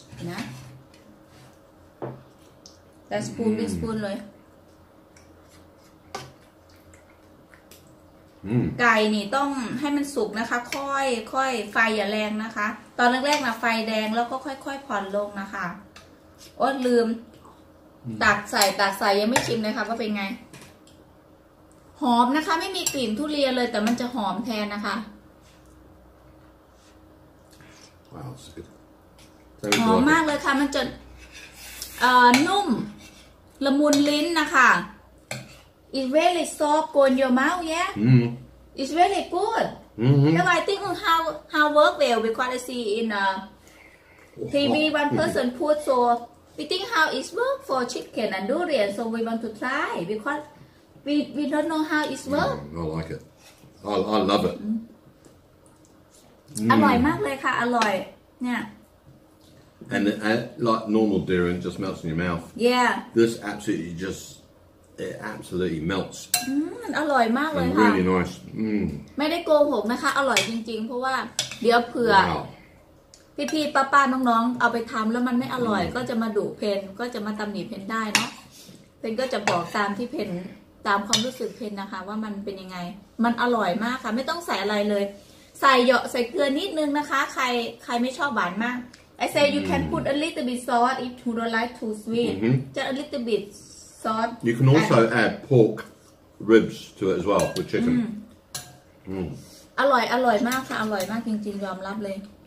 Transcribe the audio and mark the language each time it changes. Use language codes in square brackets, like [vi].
[th] นะ แต่สปูนเป็นสปูนเลยไก่นี่ต้องให้มันสุกนะคะค่อยไฟอย่าแรงนะคะตอนแรกๆนะไฟแดงแล้วก็ค่อยๆผ่อนลงนะคะโอ๊ยลืมตักใส่ยังไม่ชิมนะคะว่าเป็นไงหอมนะคะไม่มีกลิ่นทุเรียนเลยแต่มันจะหอมแทนนะคะ [en] wow, [th] หอมมากเลยค่ะมันจะนุ่มละมุนลิ้นนะคะ [en] It's really soft on your mouth, yeah? Mm-hmm. It's really good. Mm-hmm. And I think how work well because I see in TV one person put so we think how it's work for chicken and durian so we want to try because we don't know how it's work. No, I like it. I love it. [th] Mm-hmm. อร่อยมากเลยค่ะอร่อยเนี่ย [en] And like normal durian just melts in your mouth. Yeah. This absolutely justIt absolutely melts. [th] อร่อยมากเลยค่ะ [en] And really nice. [th] ไม่ได้โกหกนะคะอร่อยจริงๆเพราะว่าเดี๋ยวเผื่อพี่ๆป้าๆน้องๆเอาไปทำแล้วมันไม่อร่อยก็จะมาดุเพนก็จะมาตำหนิเพนได้นะเพนก็จะบอกตามที่เพนตามความรู้สึกเพนนะคะว่ามันเป็นยังไงมันอร่อยมากค่ะไม่ต้องใส่อะไรเลยใส่เหยาะใส่เกลือนิดนึงนะคะใครไม่ชอบหวานมาก [en] I say you can put a little bit salt if you don't like too sweet. Just a little bitSalt. You can also add pork ribs to it as well with chicken. [th] อร่อยมากค่ะอร่อยมากจริงๆยอมรับเลย